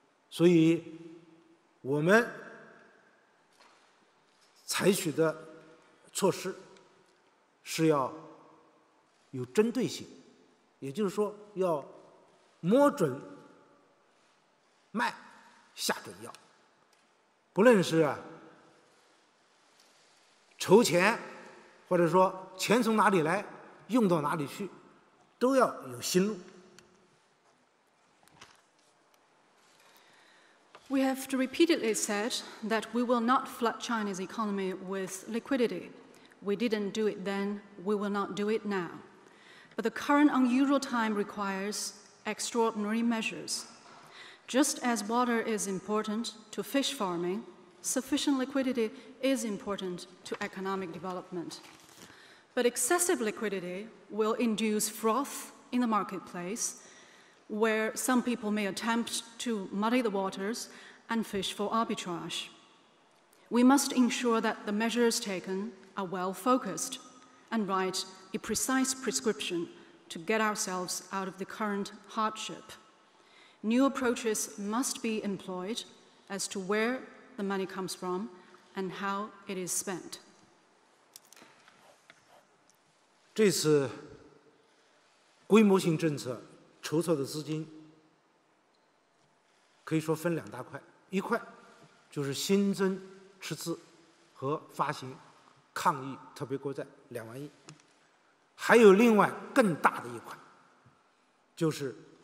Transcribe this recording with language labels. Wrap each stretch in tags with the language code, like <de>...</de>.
<zh>所以我们采取的措施是要有针对性，也就是说要摸准脉下准药，不论是筹钱或者说钱从哪里来用到哪里去，都要有心路。</zh> <en>We have repeatedly said that we will not flood China's economy with liquidity. We didn't do it then, we will not do it now. But the current unusual time requires extraordinary measures. Just as water is important to fish farming, sufficient liquidity is important to economic development. But excessive liquidity will induce froth in the marketplace, where some people may attempt to muddy the waters and fish for arbitrage. We must ensure that the measures taken are well focused and write a precise prescription to get ourselves out of the current hardship. New approaches must be employed as to where the money comes from and how it is spent.</en> <zh>这次规模性政策筹措的资金可以说分两大块，一块就是新增赤字和发行抗疫特别国债2万亿，还有另外更大的一块，就是</zh>